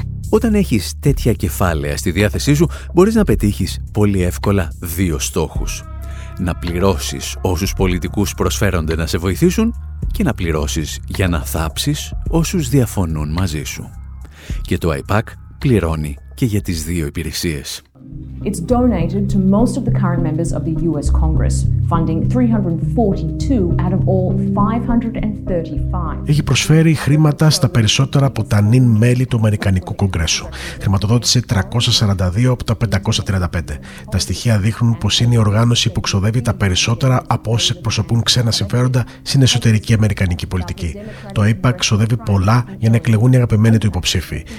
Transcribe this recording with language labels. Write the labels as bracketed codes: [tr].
[el] Όταν έχεις τέτοια κεφάλαια στη διάθεσή σου, μπορείς να πετύχεις πολύ εύκολα δύο στόχους. Να πληρώσεις όσους πολιτικούς προσφέρονται να σε βοηθήσουν και να πληρώσεις για να θάψεις όσους διαφωνούν μαζί σου. Και το AIPAC πληρώνει και για τις δύο υπηρεσίες. [en] It's donated to most of the current members of the US Congress, funding 342 out of all 535. [el] Έχει προσφέρει χρήματα στα περισσότερα από τα νυν μέλη του Αμερικανικού Κογκρέσου. Χρηματοδότησε 342 από τα 535. Τα στοιχεία δείχνουν πως είναι η οργάνωση που ξοδεύει τα περισσότερα από όσους εκπροσωπούν ξένα συμφέροντα στην εσωτερική αμερικανική πολιτική. Το AIPAC ξοδεύει πολλά για να εκλεγούν οι αγαπημένοι του υποψήφοι.